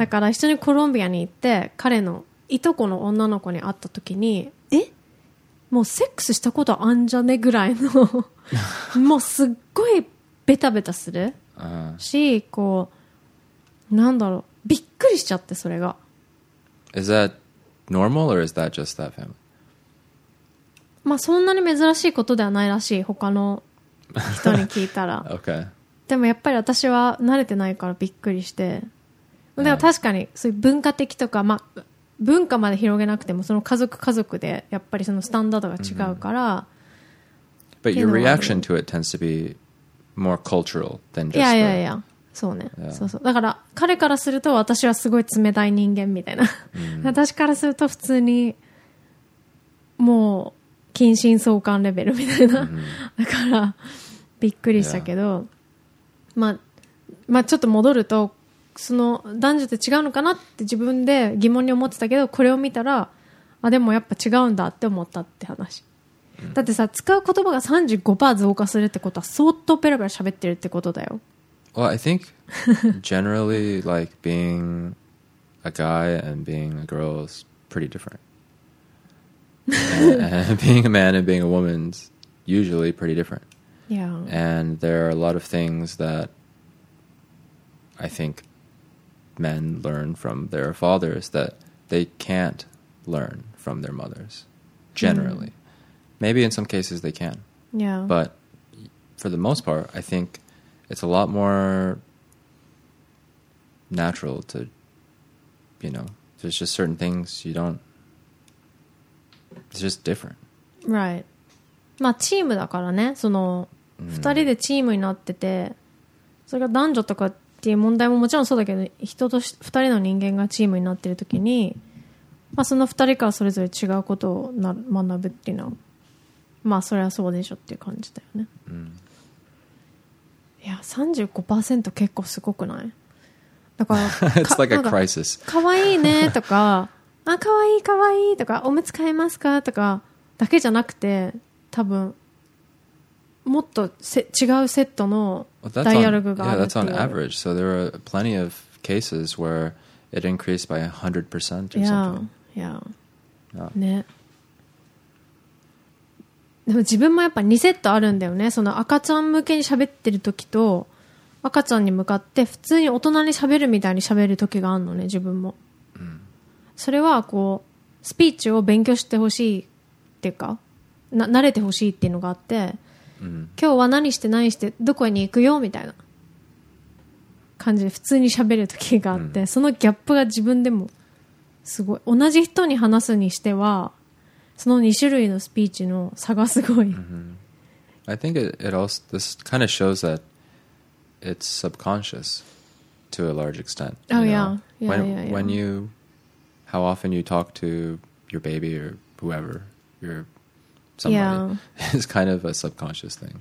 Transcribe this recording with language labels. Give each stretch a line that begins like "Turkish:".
Japanese: だから一緒にコロンビアに行って彼のいとこの女の子に会った時にえもうセックスしたことあんじゃねぐらいのもうすっごいベタベタする、しこうなんだろうびっくりしちゃってそれが
English: Is that normal or is that just that family?
Japanese: まあそんなに珍しいことではないらしい他の人に聞いたら
English: Okay
Japanese: でもやっぱり私は慣れてないからびっくりしてでも確かにそういう文化的とか、ま、文化まで広げなくてもその家族家族でやっぱりそのスタンダードが違うから、mm-hmm.
English: But your reaction to it tends to be more cultural than just yeah, yeah, yeah.
Japanese: そうね、
English: yeah.
Japanese: そうそうだから彼からすると私はすごい冷たい人間みたいな、mm-hmm. 私からすると普通にもう近親相関レベルみたいな、mm-hmm. だからびっくりしたけど、yeah. まあまあ、ちょっと戻るとその男女って違うのかなって自分で疑問に思ってたけどこれを見たらあでもやっぱ違うんだって思ったって話、うん、だってさ使う言葉が 35% 増加するってことは相当ペラペラ喋ってるってことだよ
English: Well I think generally like being a guy and being a girl is pretty different and being a man and being a woman is usually pretty different Yeah. And there are a lot of things that I think men learn from their fathers that they can't learn from their mothers, generally. Mm. Maybe in some cases they can. Yeah. But for the most part, I think it's a lot more natural to, you know, there's just certain things you don't, it's just different. Right.
Japanese: まあチームだからね、その2人でチームになっててそれが男女とかっていう問題ももちろんそうだけど人とし2人の人間がチームになってる時に、まあ、その2人からそれぞれ違うことをな学ぶっていうのはまあそれはそうでしょっていう感じだよね、うん、いや 35% 結構すごくないだから
English: It's like a crisis.
Japanese: かわいいねとかあかわいいかわいいとかおむつ替えますかとかだけじゃなくて多分もっとせ違うセットのダイアログがある。
English: Yeah, that's on average. So there are plenty of cases where it increased by 100% or something. Yeah, yeah. ね。
Japanese: でも自分もやっぱ2セットあるんだよね。その赤ちゃん向けに喋ってる時と赤ちゃんに向かって普通に大人に喋るみたいに喋る時があるのね、自分も。それはこう、スピーチを勉強してほしいっていうか、慣れてほしいっていうのがあって、今日は何して何してどこに行くよみたいな感じで普通に喋る時があって、うん、そのギャップが自分でもすごい同じ人に話すにしてはその2種類のスピーチの差がすごい、 mm-hmm.
English: I think it also this kind of shows that it's subconscious to a large extent Oh yeah. Yeah, when, yeah, yeah When you how often you talk to your baby or whoever youreSomebody yeah. is kind of a subconscious thing.